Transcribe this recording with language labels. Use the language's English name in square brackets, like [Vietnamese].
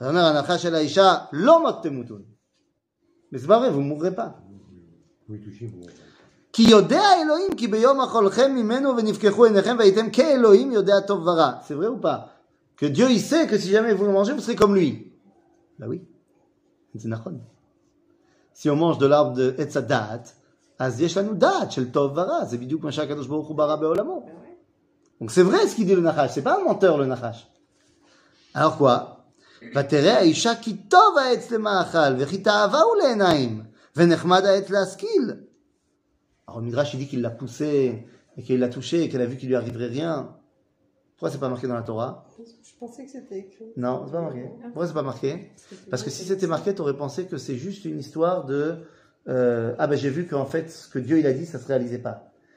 [French] Mais c'est pas vrai, vous ne mourrez pas. C'est vrai ou pas? Que Dieu, il sait que si jamais vous le mangez, vous serez comme lui. Bah oui. C'est nachon. Si on mange de l'arbre de Etz Hadaat, [Hebrew] אז יש לנו דעת של טוב ורע, זה בדיוק מה שהקדוש ברוך הוא ברא בעולמו. [French] Donc c'est vrai ce qu'il dit le Nahash, c'est pas un menteur le Nahash. Alors quoi? [Hebrew] ותראה האישה כי טוב העץ למאכל, וכי תאווה הוא לעיניים, ונחמד העץ להשכיל. [French] Alors le Midrash dit qu'il l'a poussé, et qu'il l'a touché, et qu'elle a vu qu'il lui arriverait rien. Pourquoi c'est pas marqué dans la Torah? Je pensais que c'était écrit. Non, c'est pas marqué. Pourquoi c'est pas marqué? Parce que si c'était marqué, tu aurais pensé que c'est juste une histoire de. J'ai vu qu'en fait, ce que Dieu il a dit, ça ne se réalisait pas.